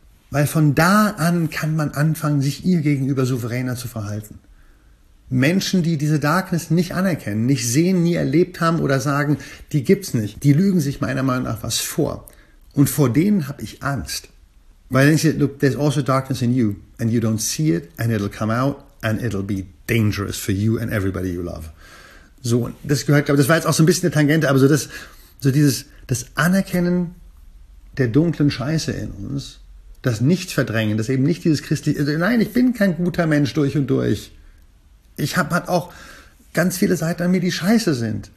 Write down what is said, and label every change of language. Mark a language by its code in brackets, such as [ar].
[de] Weil von da an kann man anfangen, sich ihr gegenüber souveräner zu verhalten. Menschen, die diese Darkness nicht anerkennen, nicht sehen, nie erlebt haben oder sagen, die gibt's nicht, die lügen sich meiner Meinung nach was vor. Und vor denen habe ich Angst. Weil ich denke, [en] look, there's also darkness in you and you don't see it and it'll come out and it'll be dangerous for you and everybody you love. [de] So, das gehört, glaube ich, das war jetzt auch so ein bisschen eine Tangente, aber das Anerkennen der dunklen Scheiße in uns, das Nicht-Verdrängen, das eben nicht dieses christliche, also nein, ich bin kein guter Mensch durch und durch. Ich habe halt auch ganz viele Seiten an mir, die scheiße sind.